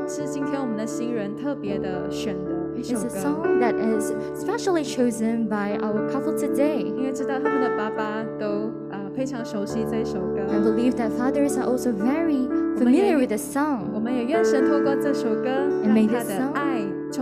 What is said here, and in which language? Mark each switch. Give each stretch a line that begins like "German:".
Chinese: 是今天我们的新人特别的选的一首歌。
English: It's a song that is specially chosen by our couple today.
Chinese: 因为知道他们的爸爸都非常熟悉这首歌。
English: I believe that fathers are also very familiar with the song.
Chinese: 我们也愿神透过这首歌，让他的爱充满我们的心。